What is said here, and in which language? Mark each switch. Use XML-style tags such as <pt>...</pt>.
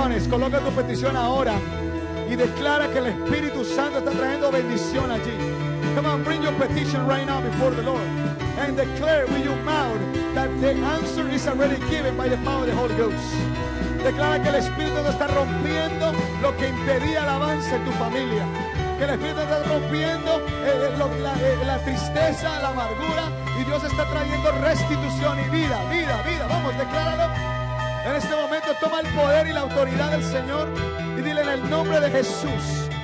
<es>coloca tu petición ahora y declara que el Espíritu Santo está trayendo bendición allí.</es> <en>Come on, bring your petition right now before the Lord and declare with your mouth that the answer is already given by the power of the Holy Ghost.</en> <es>Declara que el Espíritu te está rompiendo lo que impedía el avance en tu familia. Que el Espíritu está rompiendo la tristeza, la amargura. Y Dios está trayendo restitución y vida, vida, vida. Vamos, decláralo. En este momento toma el poder y la autoridad del Señor. Y dile en el nombre de Jesús.</es>